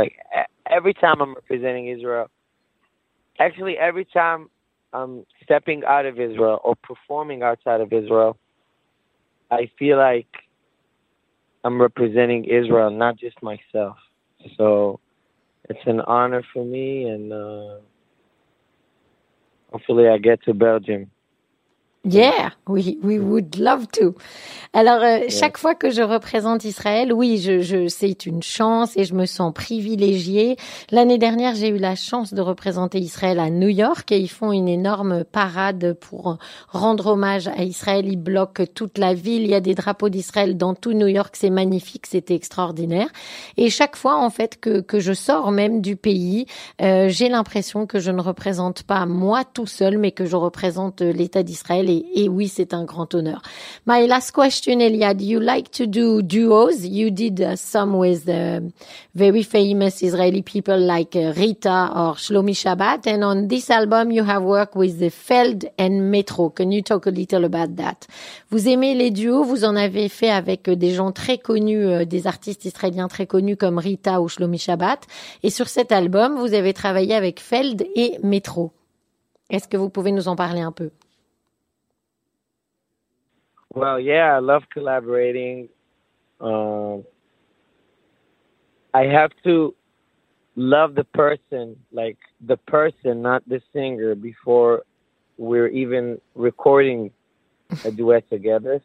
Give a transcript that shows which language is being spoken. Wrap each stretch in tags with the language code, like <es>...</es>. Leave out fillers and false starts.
<en>Like every time I'm representing Israel, actually every time I'm stepping out of Israel or performing outside of Israel, I feel like I'm representing Israel, not just myself. So it's an honor for me, and hopefully I get to Belgium. Yeah, we would love to.</en> <fr>Alors, chaque fois que je représente Israël, oui, je c'est une chance et je me sens privilégiée. L'année dernière, j'ai eu la chance de représenter Israël à New York et ils font une énorme parade pour rendre hommage à Israël. Ils bloquent toute la ville. Il y a des drapeaux d'Israël dans tout New York. C'est magnifique. C'était extraordinaire. Et chaque fois, en fait, que je sors même du pays, j'ai l'impression que je ne représente pas moi tout seul, mais que je représente l'État d'Israël. Et oui, c'est un grand honneur.</fr> <en>My last question, Eliade, you like to do duos. You did some with very famous Israeli people like Rita or Shlomi Shabbat. And on this album, you have worked with the Feld and Metro. Can you talk a little about that?</en> <fr>Vous aimez les duos. Vous en avez fait avec des gens très connus, des artistes israéliens très connus comme Rita ou Shlomi Shabbat. Et sur cet album, vous avez travaillé avec Feld et Metro. Est-ce que vous pouvez nous en parler un peu?</fr> <en>Well, yeah, I love collaborating. I have to love the person, like the person, not the singer, before we're even recording a duet together.</en>